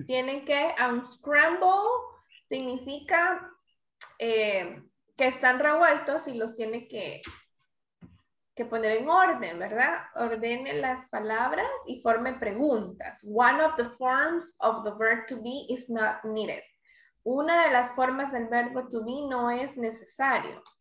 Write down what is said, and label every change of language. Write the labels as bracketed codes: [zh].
[es] Tienen que unscramble significa que están revueltos y los tiene que poner en orden, ¿verdad? Ordene las palabras y forme preguntas. [en] One of the forms of the verb to be is not needed. [es] Una de las formas del verbo to be no es necesario.